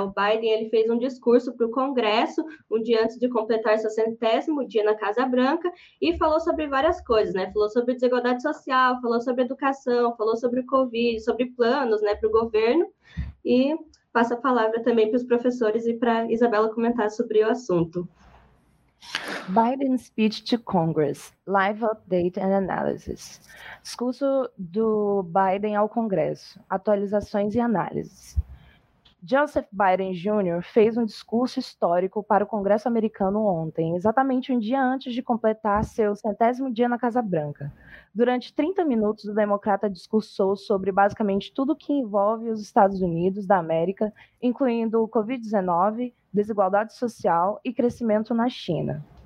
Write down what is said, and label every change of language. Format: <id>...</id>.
<pt>O Biden, ele fez um discurso para o Congresso um dia antes de completar seu 100º dia na Casa Branca e falou sobre várias coisas, né? Falou sobre desigualdade social, falou sobre educação, falou sobre o Covid, sobre planos, né, para o governo. E passa a palavra também para os professores e para a Isabela comentar sobre o assunto.</pt> <en>Biden's speech to Congress, live update and analysis.</en> <pt>Discurso do Biden ao Congresso, atualizações e análises. Joseph Biden Jr. fez um discurso histórico para o Congresso americano ontem, exatamente um dia antes de completar seu 100º dia na Casa Branca. Durante 30 minutos, o democrata discursou sobre basicamente tudo que envolve os Estados Unidos da América, incluindo o Covid-19, desigualdade social e crescimento na China.</pt>